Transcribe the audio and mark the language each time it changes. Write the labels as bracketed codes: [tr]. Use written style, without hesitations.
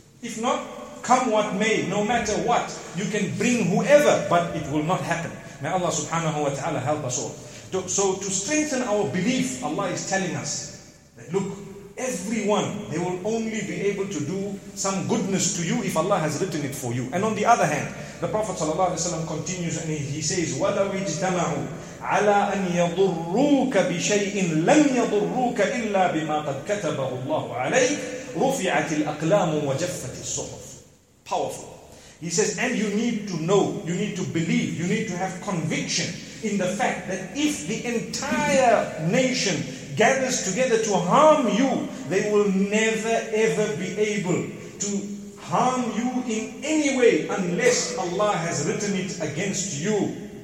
[en] If not, come what may, no matter what, you can bring whoever, but it will not happen. May Allah subhanahu wa ta'ala help us all. So to strengthen our belief, Allah is telling us that look, everyone, they will only be able to do some goodness to you if Allah has written it for you. And on the other hand, the Prophet ﷺ continues and he says, [ar] وَلَوْ اجْتَمَعُوا عَلَىٰ أَنْ يَضُرُّوكَ بِشَيْءٍ لَمْ يَضُرُّوكَ إِلَّا بِمَا قَدْ كَتَبَهُ اللَّهُ عَلَيْكَ رُفِعَتِ الْأَقْلَامُ وَجَفَّتِ الصُّحُفُ. [en] Powerful. He says, and you need to know, you need to believe, you need to have conviction in the fact that if the entire nation gathers together to harm you, they will never ever be able to harm you in any way unless Allah has written it against you.